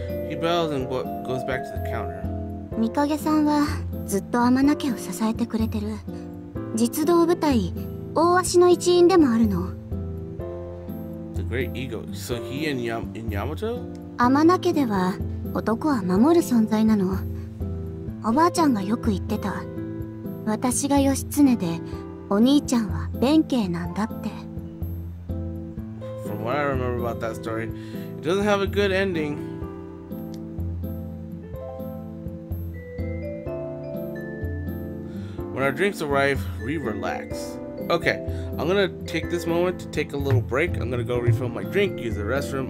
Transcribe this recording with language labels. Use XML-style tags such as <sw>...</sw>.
<en>He bows and goes back to the counter.</en> <ja>ミカゲさんはずっと天名家を支えてくれてる。実動部隊大足の一員でもあるの。</ja> <en>Great ego. So he and Yamato?</en> <ja>天名家では男は守る存在なの。おばあちゃんがよく言ってた。私が義経でお兄ちゃんは弁慶なんだって。</ja> <en>From what I remember about that story, it doesn't have a good ending. When our drinks arrive, we relax. Okay, I'm gonna take this moment to take a little break. I'm gonna go refill my drink, use the restroom.</en>